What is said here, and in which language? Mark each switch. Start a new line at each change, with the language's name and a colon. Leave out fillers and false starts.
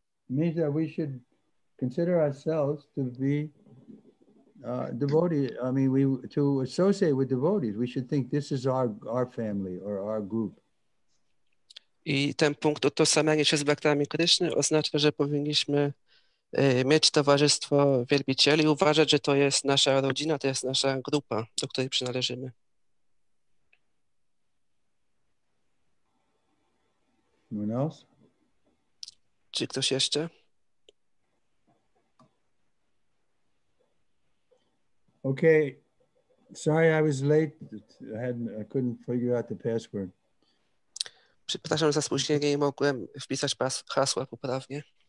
English: It means that we should consider ourselves to be devotees. I mean, we to associate with devotees. We should think this is our family or our group.
Polish: I ten punkt utożsamiania się z bhaktami Kryszny oznacza, że powinniśmy mieć towarzystwo wielbicieli, uważać, że to jest nasza rodzina, to jest nasza grupa, do której przynależymy.
English: Anyone else?
Polish: Czy ktoś jeszcze?
English: Okay, sorry I was late. I couldn't figure out the password.
Polish: Przepraszam za spóźnienie, nie mogłem wpisać hasła poprawnie.